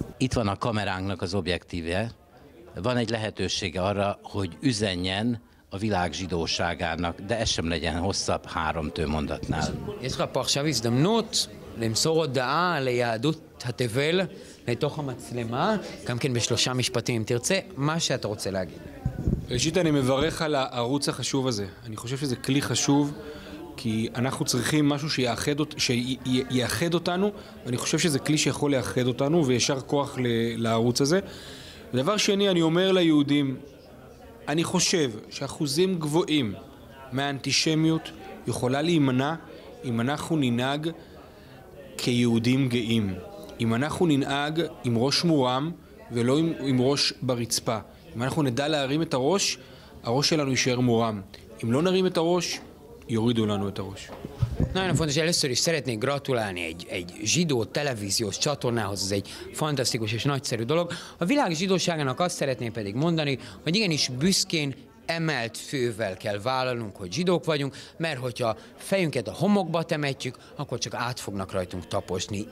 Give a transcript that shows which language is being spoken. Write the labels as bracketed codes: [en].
[hu] Itt van a kameránknak az objektíve. Van egy lehetősége arra, hogy üzenjen a világ zsidóságának, de ez sem legyen hosszabb három tőmondatnál. És a parsavíz, de mnót, nem szóod, de áll, lejádott, hát evel, lejtok a maclema, kamként beslossám is patim, tirce, más se atrocse lágit. [he] ראשית, אני מברך על הערוץ החשוב הזה. אני חושב שזה כלי חשוב, כי אנחנו צריכים משהו שיאחד אותנו, ואני חושב שזה כלי שיכול לאחד אותנו, וישר כוח לערוץ הזה. דבר שני, אני אומר ליהודים, אני חושב שאחוזים גבוהים מהאנטישמיות יכולה להימנע אם אנחנו ננהג כיהודים גאים, אם אנחנו ננהג עם ראש מורם ולא עם ראש ברצפה. אם אנחנו נדע להרים את הראש, הראש שלנו יישאר מורם. אם לא נרים את הראש, יורידו לנו את הראש. [hu] Nagyon fontos, először is szeretnék gratulálni egy zsidó televíziós csatornához, ez egy fantasztikus és nagyszerű dolog. A világ zsidóságának azt szeretném pedig mondani, hogy igenis büszkén emelt fővel kell vállalnunk, hogy zsidók vagyunk, mert hogyha fejünket a homokba temetjük, akkor csak át fognak rajtunk taposni.